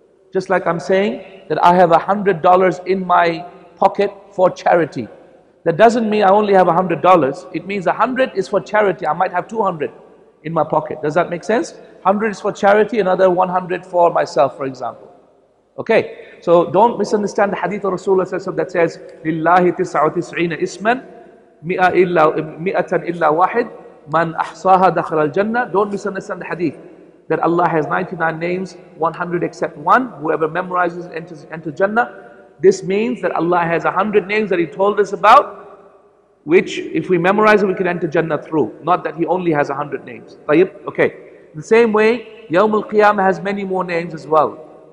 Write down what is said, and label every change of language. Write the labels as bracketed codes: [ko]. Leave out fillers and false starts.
[en] Just like I'm saying that I have $100 in my pocket for charity. That doesn't mean I only have $100. It means 100 is for charity. I might have 200 in my pocket. Does that make sense? 100 is for charity, another 100 for myself, for example. Okay, so don't misunderstand the hadith of Rasulullah that says [ar] لِلَّهِ تِسْعُ تِسْعِينَ إِسْمًا مِئَةً إِلَّا وَاحِدْ مَنْ أَحْصَاهَا دَخْلَ الْجَنَّةِ. [en] Don't misunderstand the hadith that Allah has 99 names, 100 except one, whoever memorizes enters Jannah. This means that Allah has 100 names that He told us about, which if we memorize it, we can enter Jannah through. Not that He only has 100 names. Okay, the same way, Yawm al-Qiyamah has many more names as well.